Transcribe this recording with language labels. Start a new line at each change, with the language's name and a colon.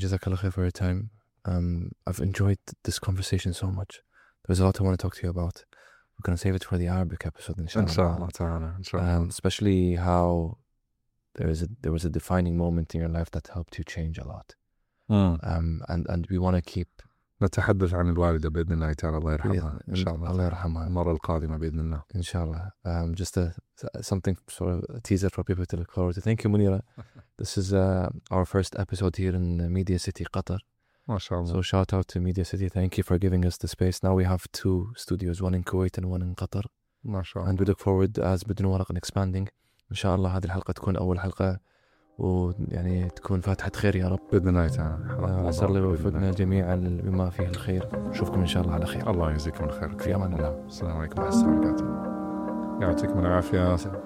English: JazakAllah khair for your time. I've enjoyed this conversation so much. There's a lot I want to talk to you about. We're going to save it for the Arabic episode, inshallah. Especially how there was a defining moment in your life that helped you change a lot. And we want to keep...
Arabic: نتحدث عن الوالدة بإذن الله تعالى الله يرحمها إن شاء الله الله يرحمها المرة القادمة بإذن الله إن شاء الله.
English: Just a something sort of a teaser for people to look forward to. Thank you, Munira. This is our first episode here in Media City Qatar. MashaAllah. So shout out to Media City. Thank you for giving us the space. Now we have two studios, one in Kuwait and one in Qatar. MashaAllah. And we look forward as بدون ورق and expanding.
Arabic: MashaAllah, هذه الحلقة تكون أول حلقة ويعني تكون فاتحة خير يا رب. بإذن الله تعالى. عسى الله يوفقنا جميعا بما فيه الخير. نشوفكم إن شاء الله على خير. الله يجزيكم الخير. في أمان الله. السلام عليكم ورحمة الله وبركاته. يعطيكم العافية.